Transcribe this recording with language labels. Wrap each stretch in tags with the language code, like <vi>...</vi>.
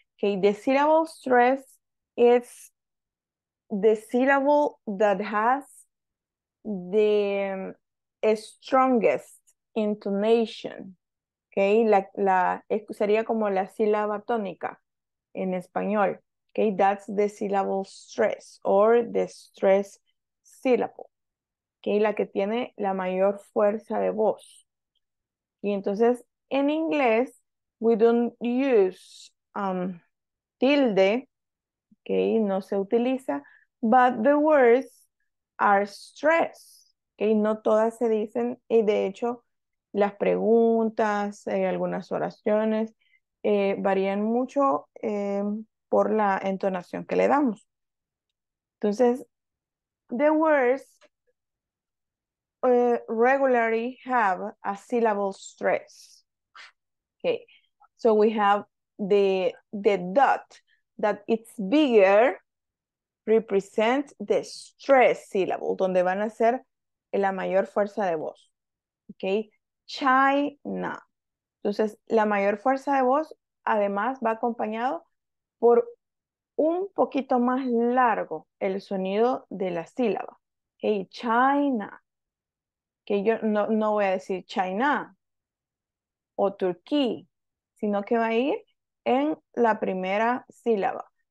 <en>Okay, the syllable stress is the syllable that has the strongest intonation.</en> <es>Okay, la sería como la sílaba tónica en español.</es> <en>Okay, that's the syllable stress or the stress syllable.</en> <es>Okay, la que tiene la mayor fuerza de voz. Y entonces en inglés</es> <en>we don't use tilde. Okay,</en> <es>no se utiliza.</es> <en>But the words are stress.</en> <es>Okay, no todas se dicen. Y de hecho, las preguntas, algunas oraciones, varían mucho por la entonación que le damos.</es> <en>Entonces, the words regularly have a syllable stress. Okay, so we have the dot that it's bigger. Represent the stress syllable,</en> <es>donde van a ser la mayor fuerza de voz. ¿Ok? China. Entonces, la mayor fuerza de voz, además, va acompañado por un poquito más largo el sonido de la sílaba. ¿Ok? China. Que yo no voy a decir China o Turquía, sino que va a ir en la primera sílaba.</es>